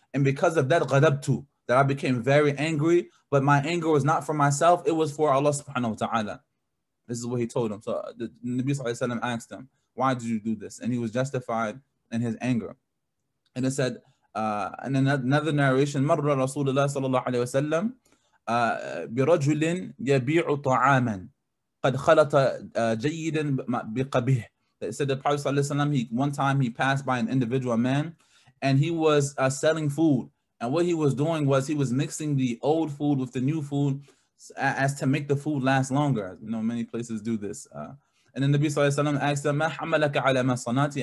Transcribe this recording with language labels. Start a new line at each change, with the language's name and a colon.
English: And because of that, ghadabtu, that I became very angry, but my anger was not for myself, it was for Allah subhanahu wa ta'ala. This is what he told him. So the Nabi sallallahu alayhi wa sallam asked him, "Why did you do this?" And he was justified in his anger. And it said, in another narration,
Arabic: مَرَّ رَسُولُ اللَّهِ صَلَّى اللَّهُ عَلَيْهِ وَسَلَّمْ بِرَجُلٍ يَبِيعُ طَعَامًا قَدْ خَلَطَ جَيِّدًا بِقَبِهِ.
English: It said the Prophet sallallahu alayhi wa sallam, one time he passed by an individual man, and he was selling food. And what he was doing was he was mixing the old food with the new food as to make the food last longer. You know, many places do this. And then Nabi Sallallahu Alaihi Wasallam asked him,
Arabic: "Ma hamalaka ala ma sanati?"